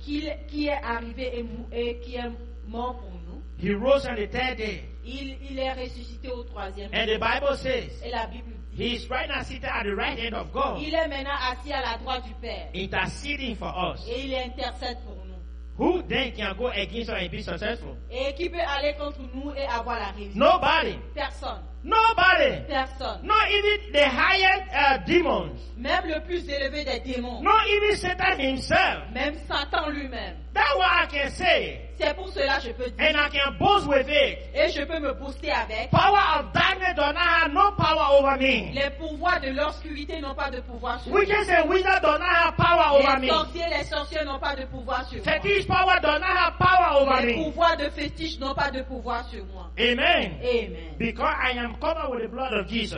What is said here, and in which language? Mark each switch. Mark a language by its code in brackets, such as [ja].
[fr] qui est arrivé et qui est mort pour nous, [en] he rose on the third day. [fr] Il est ressuscité au troisième [en] jour. And the Bible says, [fr] et la Bible dit, [en] he is right now seated at the right hand of God. [fr] Il est maintenant assis à la droite du Père. [en] Interceding for us. [fr] Et il intercède pour nous. [en] Who then can go against us and be successful? [fr] Et qui peut aller contre nous et avoir la réussite? [en] Nobody. [fr] Personne. [en] Nobody. [fr] Personne. [en] Not even the highest demons. [fr] Même le plus élevé des démons. [en] Not even Satan himself. [fr] Même Satan lui-même. [en] That's what I can say. [fr] C'est pour cela que je peux dire. [en] And I can boast with it. [fr] Et je peux me booster avec. [en] Power of darkness does not have no power over me. [fr] Les pouvoirs de l'obscurité n'ont pas de pouvoir sur moi. [en] Witches and wizards do not have power over me. [fr] Les sorciers, les sorcières n'ont pas de pouvoir sur moi. [en] Fetish power does not have power over me. [fr] Les pouvoirs de fétiche n'ont pas de pouvoir sur moi. [en] Amen. [fr] Amen. [en] Because I am covered with the blood of Jesus.